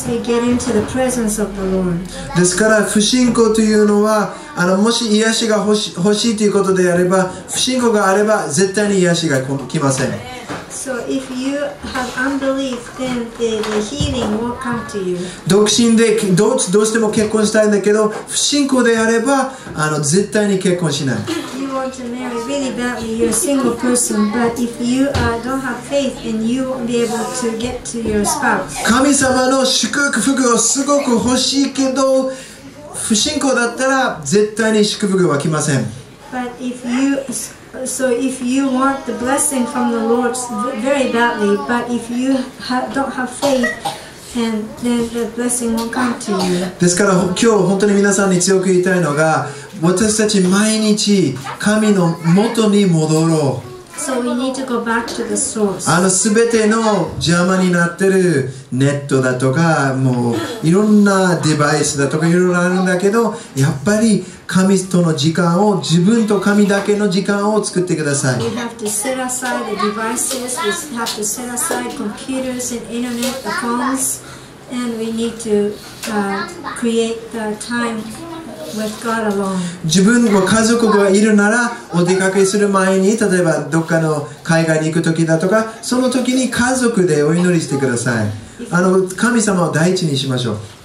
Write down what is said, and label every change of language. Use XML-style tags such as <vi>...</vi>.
<ja>ですから不信仰というのは、もし癒しが欲しいということであれば、不信仰があれば絶対に癒しが来ません。</ja> <en>So if you have unbelief, then the healing will come to you.</en> <ja>独身でどうしても結婚したいんだけど、不信仰であれば絶対に結婚しない。</ja> <en>If you want to marry really badly, you're a single person, but if you don't have faith, then you won't be able to get to your spouse.</en> <ja>神様の祝福をすごく欲しいけど、不信仰だったら絶対に祝福は来ません。</ja> <en>But if you... So if you want the blessing from the Lord very badly, but if you don't have faith, then the blessing won't come to you.</en> <ja>ですから今日本当に皆さんに強く言いたいのが、私たち毎日神の元に戻ろう。</ja> <en>So we need to go back to the source.</en> <ja>すべての邪魔になってるネットだとか、もういろんなデバイスだとかいろいろあるんだけど、やっぱり神との時間を、自分と神だけの時間を作ってください。</ja> <en>We have to set aside the devices, we have to set aside computers and internet, the phones, and we need to create the time with God alone.</en> <ja>自分も家族がいるなら、お出かけする前に、例えばどっかの海外に行く時だとか、その時に家族でお祈りしてください。神様を第一にしましょう。</ja>